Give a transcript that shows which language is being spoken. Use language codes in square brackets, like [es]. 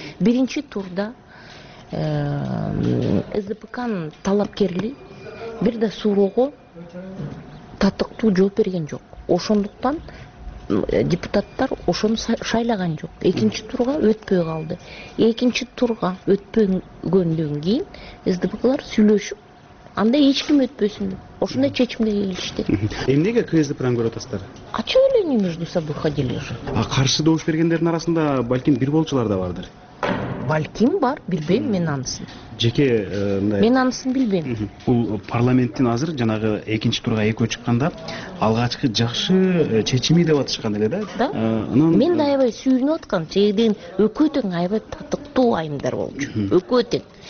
[ky] Биринчи турда СДПКнын талапкерли бир да суроого татыктуу жооп берген жок. Ошондуктан депутаттар ошону шайлаган жок. Экинчи турга өтпөй калды. Экинчи турга өтпөгөндөн кийин СДПКлар сүйлөшүп анда эч ким өтпөсүн деп ошондой чечимге келишти. Эмнеге КСДПны көрүп атасыздар? [ru] А че [ky] эле [ru] они между собой ходили уже? [ky] А каршы добуш бергендердин арасында балким бир болчулар да бардыр. Балким бар, билбейм мен анысын. Жеке мындай мен анысын билбейм. Бул парламенттин азыр жанагы экинчи турга экөө чыкканда алгачкы жакшы чечими деп атышкан эле да. Анан мен да аябай сүйүнүп аткан. Жердин экөө тең аябай татыктуу айымдар болчу. Экөө тең.